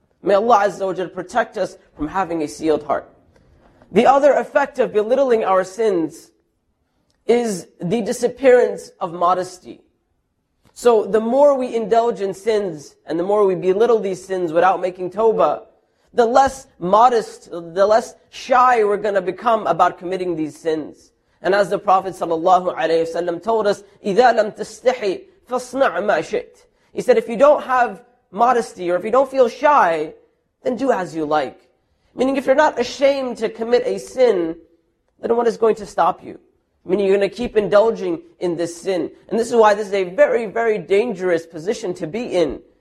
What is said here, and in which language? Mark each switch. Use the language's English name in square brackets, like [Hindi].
[English] May Allah Azza wa Jal protect us from having a sealed heart. The other effect of belittling our sins is the disappearance of modesty. So the more we indulge in sins, and the more we belittle these sins without making tawbah, the less modest, the less shy we're going to become about committing these sins. And as the Prophet ﷺ told us, [Arabic] إِذَا لَمْ تَسْتَحِي فَاصْنَعْ مَا شِئْتَ. [English] He said, if you don't have modesty, or if you don't feel shy, then do as you like. Meaning if you're not ashamed to commit a sin, then what is going to stop you? Meaning you're going to keep indulging in this sin. And this is why this is a very, very dangerous position to be in.